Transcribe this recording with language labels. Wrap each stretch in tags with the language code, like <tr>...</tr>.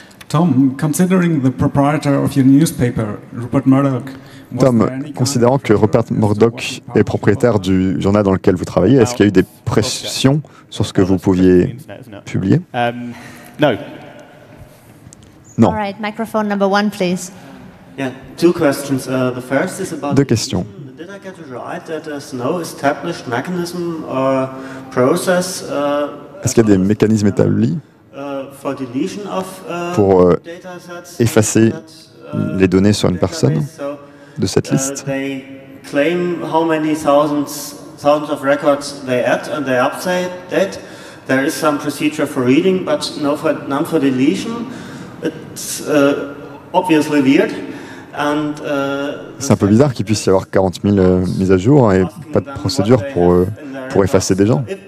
<en>Tom, considering the proprietor of your newspaper, Rupert Murdoch,</en> <fr>Tom, considérant que Rupert Murdoch est propriétaire du journal dans lequel vous travaillez, est-ce qu'il y a eu des pressions sur ce que vous pouviez publier? Non. Non.</fr> <en>All right, microphone number one, please. Yeah, two questions. The first is about.</en> <fr>Deux questions.</fr> <en>Did I get you right that there's no established mechanism or process?</en> <fr>Est-ce qu'il y a des mécanismes établis</fr> <en>for deletion of</en> <fr>pour effacer les données sur une personne de cette liste?</fr> <en>They claim how many thousands of records they add and they update. There is some procedure for reading, but none for deletion. It's obviously weird. And,</en> <fr>c'est un peu bizarre qu'il puisse y avoir 40 000 mises à jour et pas de procédure pour effacer des gens.</fr>